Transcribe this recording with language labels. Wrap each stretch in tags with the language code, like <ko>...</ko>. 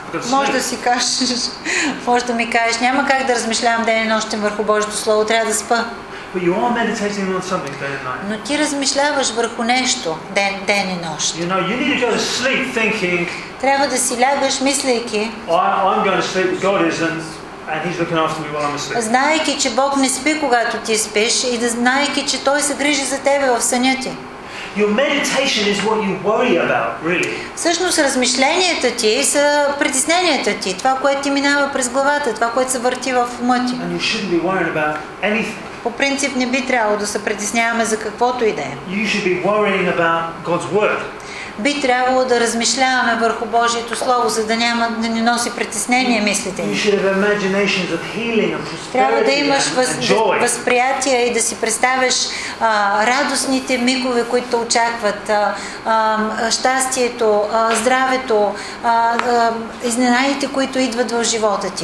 <bg>Може да си кажеш, може да ми кажеш, няма как да размишлявам ден и нощем върху Божието Слово, трябва да спа.</bg> <en>But you are meditating on something day and night.</en> <bg>Но ти размишляваш върху нещо ден и нощ.</bg> <en>You know, you need to go to sleep thinking.</en> <bg>Трябва да си лягаш мислейки.</bg> <en>I'm going to sleep with God and he's looking after me while I'm asleep.</en> <bg>Знаеки, че Бог не спи, когато ти спиш, и да знаеки, че той се грижи за тебе в съня ти.</bg> <en>Your meditation is what you worry about, really.</en> <bg>Всъщност размишленията ти са притесненията ти, това, което ти минава през главата, това, което се върти в ума ти.</bg> <en>And you shouldn't be worried about anything.</en> <bg>По принцип не би трябвало да се притесняваме за каквото и да е.</bg> <en>You should be worrying about God's word.</en> <bg>Би трябвало да размишляваме върху Божието Слово, за да няма да ни носи притеснение мислите ни.</bg> <en>You should have imaginations of healing and prosperity.</en> <bg>Трябва да имаш възприятия и да си представяш радостните мигове, които очакват, щастието, здравето, изненадите, които идват в живота ти.</bg>